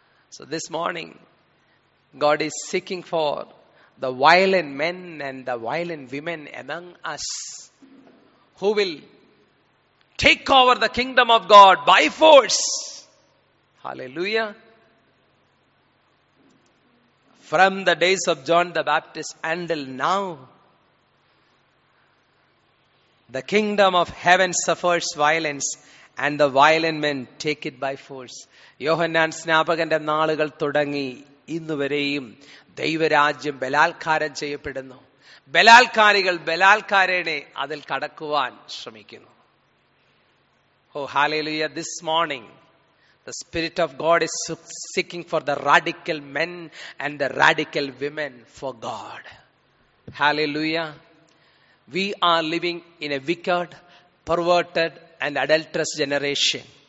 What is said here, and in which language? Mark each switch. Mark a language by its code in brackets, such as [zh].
[en] So this morning, God is seeking for the violent men and the violent women among us who will take over the kingdom of God by force. Hallelujah. From the days of John the Baptist until now, the kingdom of heaven suffers violence, and the violent men take it by force. [ml] യോഹന്നാൻ സ്നാപകന്റെ നാളുകൾ തുടങ്ങി ഇന്നുവരെയും ദൈവരാജ്യം ബലാത്കാരം ചെയ്യപ്പെടുന്നു. ബലാത്കാരികൾ ബലാത്കാരനെ അതിൽ കടക്കുവാൻ ശ്രമിക്കുന്നു. [en] Oh, hallelujah. This morning, the Spirit of God is seeking for the radical men and the radical women for God. Hallelujah. We are living in a wicked, perverted, and adulterous generation.